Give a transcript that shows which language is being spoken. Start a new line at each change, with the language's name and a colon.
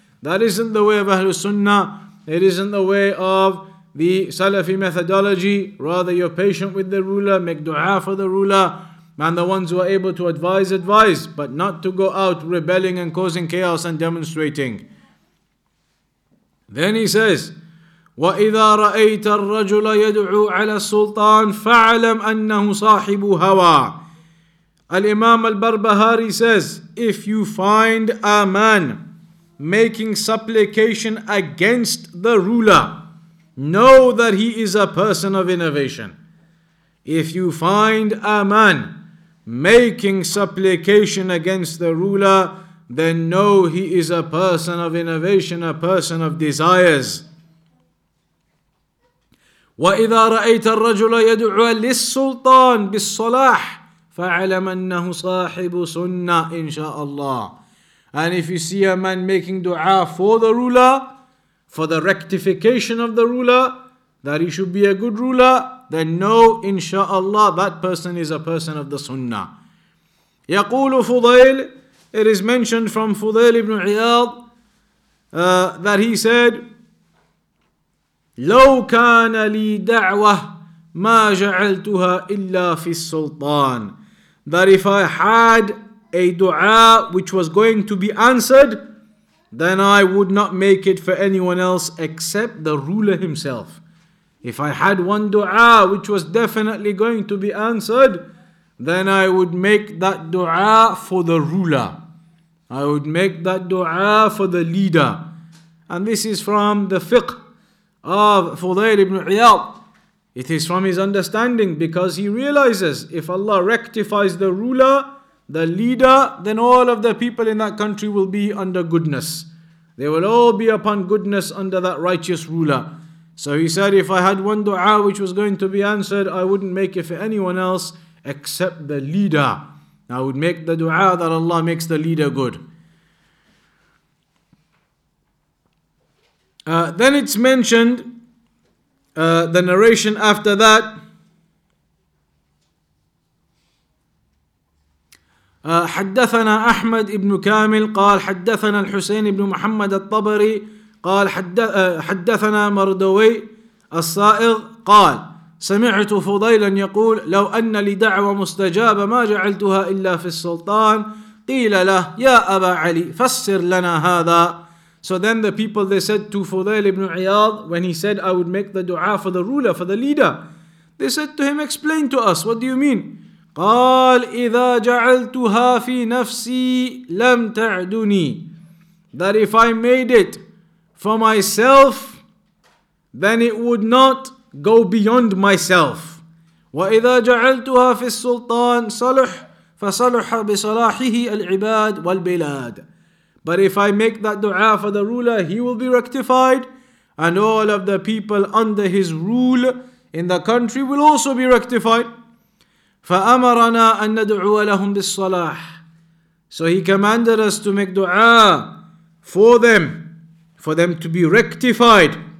English: That isn't the way of Ahlus Sunnah. It isn't the way of the Salafi methodology. Rather, you're patient with the ruler, make dua for the ruler, and the ones who are able to advise, advise, but not to go out rebelling and causing chaos and demonstrating. Then he says,
Arabic: وَإِذَا رَأَيْتَ الرَّجُلَ يَدْعُو عَلَى السُّلْطَانِ فَعَلَمْ أَنَّهُ صَاحِبُ هَوَى.
English: Al-Imam al-Barbahari says, if you find a man making supplication against the ruler, know that he is a person of innovation. If you find a man making supplication against the ruler, then know he is a person of innovation, a person of desires.
Arabic: وَإِذَا رَأَيْتَ الرَّجُلَ يَدْعُوَ لِلسُّلْطَانِ بِالصَّلَاحِ فَعَلَمَ أَنَّهُ صَاحِبُ سُنَّةِ إِنْ شَاءَ اللَّهِ.
English: And if you see a man making dua for the ruler, for the rectification of the ruler, that he should be a good ruler, then know, inshaAllah, that person is a person of the sunnah.
Arabic: يَقُولُ فُضَيْل,
English: it is mentioned from Fudail ibn Iyad, that he said,
Arabic: لَوْ كَانَ لِي دَعْوَةٌ مَا جَعَلْتُهَا إِلَّا فِي السُّلْطَانِ.
English: That if I had a dua which was going to be answered, then I would not make it for anyone else except the ruler himself. If I had one dua which was definitely going to be answered, then I would make that dua for the ruler. I would make that dua for the leader. And this is from the fiqh of Fudayl ibn Iyad. It is from his understanding, because he realizes if Allah rectifies the ruler, the leader, then all of the people in that country will be under goodness. They will all be upon goodness under that righteous ruler. So he said, if I had one dua which was going to be answered, I wouldn't make it for anyone else except the leader. I would make the dua that Allah makes the leader good. Then it's mentioned, the narration after that,
Arabic: حدثنا أحمد ابن كامل قال حدثنا الحسين ابن محمد الطبري قال حدثنا مردوي الصائغ قال سمعت فضيلا يقول لو أن لدعوة مستجابة ما جعلتها إلا في السلطان. قيل له يا أبا علي فسر لنا هذا.
English: So then the people, they said to Fudayl ibn Iyad, when he said, I would make the dua for the ruler, for the leader. They said to him, explain to us, what do you mean?
Arabic: قال إذا جعلتها في نفسي لم تعدني.
English: That if I made it for myself, then it would not go beyond myself.
Arabic: وإذا جعلتها في السلطان صلح فصلح بصلاحه العباد والبلاد.
English: But if I make that dua for the ruler, he will be rectified, and all of the people under his rule in the country will also be rectified.
Arabic: فَأَمَرَنَا أَن نَدْعُوَ لَهُمْ بِالصَّلَاحِ.
English: So he commanded us to make dua for them to be rectified.